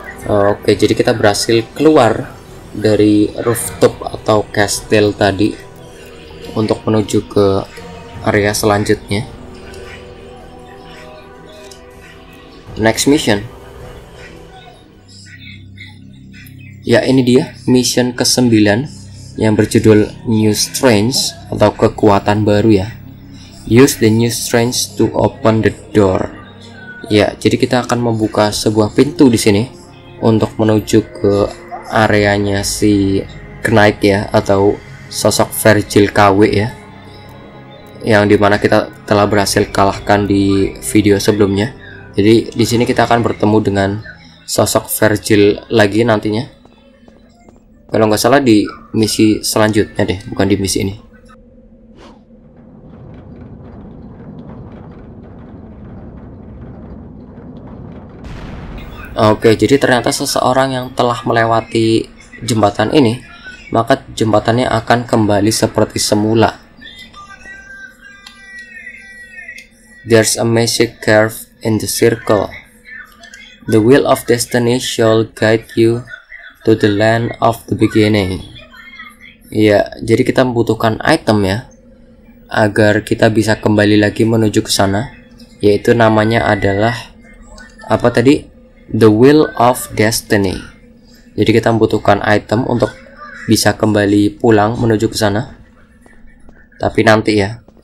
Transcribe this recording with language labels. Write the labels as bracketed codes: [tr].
[id] Oke, jadi kita berhasil keluar dari rooftop atau kastil tadi untuk menuju ke area selanjutnya. [en] Next mission. [id] Ya, ini dia mission ke-9 yang berjudul New Strength atau kekuatan baru ya. [en] Use the new strength to open the door. [id] Ya, jadi kita akan membuka sebuah pintu di sini untuk menuju ke areanya si Knight ya, atau sosok Virgil KW ya, yang dimana kita telah berhasil kalahkan di video sebelumnya. Jadi di sini kita akan bertemu dengan sosok Virgil lagi nantinya, kalau nggak salah di misi selanjutnya deh, bukan di misi ini. Oke, jadi ternyata seseorang yang telah melewati jembatan ini, maka jembatannya akan kembali seperti semula. [en] There's a magic curve in the circle. The wheel of destiny shall guide you to the land of the beginning. [id] Ya, jadi kita membutuhkan item ya, agar kita bisa kembali lagi menuju ke sana, yaitu namanya adalah apa tadi? The Wheel of Destiny. Jadi kita membutuhkan item untuk bisa kembali pulang menuju ke sana. Tapi nanti ya.